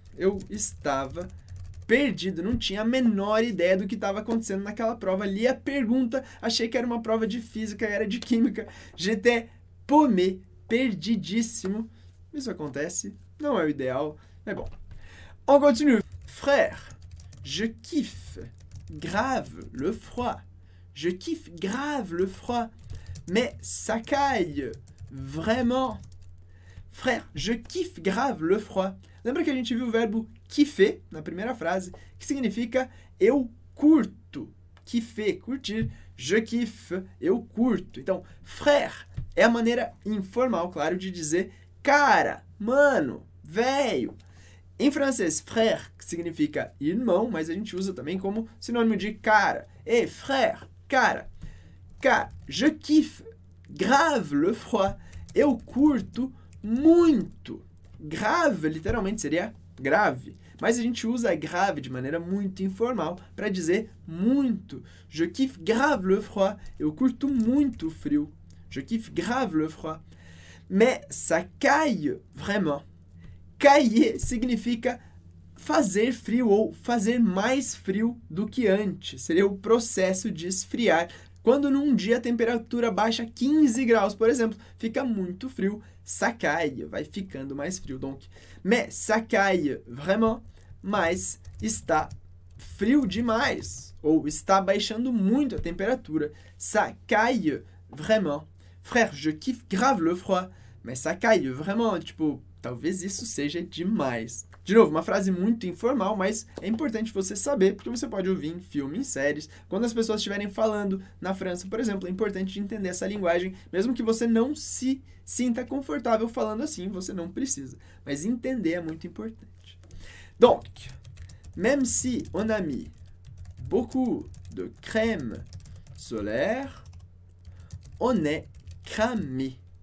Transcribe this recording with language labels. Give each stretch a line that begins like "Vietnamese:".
Portuguese: Eu estava perdido, não tinha a menor ideia do que estava acontecendo naquela prova. Li a pergunta, achei que era uma prova de física, era de química.
French: J'étais paumé,
Portuguese: perdidíssimo. Isso acontece, não é o ideal, mas bom.
French: On continue. Frère, je kiffe grave le froid. Je kiffe grave le froid. Mais ça caille vraiment. Frère, je kiffe grave le froid.
Portuguese: Lembra que a gente viu o verbo kiffer na primeira frase, que significa eu curto. Kiffer, curtir.
French: Je kiffe,
Portuguese: eu curto. Então, frère é a maneira informal, claro, de dizer cara, mano, velho. Em francês, frère significa irmão, mas a gente usa também como sinônimo de cara. Ei, frère, cara. Cara,
French: je kiffe grave le froid.
Portuguese: Eu curto muito. Grave, literalmente, seria grave. Mas a gente usa grave de maneira muito informal para dizer muito.
French: Je kiffe grave le froid.
Portuguese: Eu curto muito o frio.
French: Je kiffe grave le froid. Mais ça caille vraiment.
Portuguese: Cailler significa fazer frio ou fazer mais frio do que antes. Seria o processo de esfriar. Quando num dia a temperatura baixa 15 graus, por exemplo, fica muito frio,
French: ça caille,
Portuguese: vai ficando mais frio.
French: Donc, mais ça caille vraiment,
Portuguese: mas está frio demais, ou está baixando muito a temperatura.
French: Ça caille vraiment. Frère, je kiffe grave le froid, mais ça caille vraiment.
Portuguese: Tipo, talvez isso seja demais. De novo, uma frase muito informal, mas é importante você saber, porque você pode ouvir em filmes, em séries. Quando as pessoas estiverem falando na França, por exemplo, é importante entender essa linguagem, mesmo que você não se sinta confortável falando assim, você não precisa. Mas entender é muito importante.
French: Donc, même si on a mis beaucoup de crème solaire, on est cramé.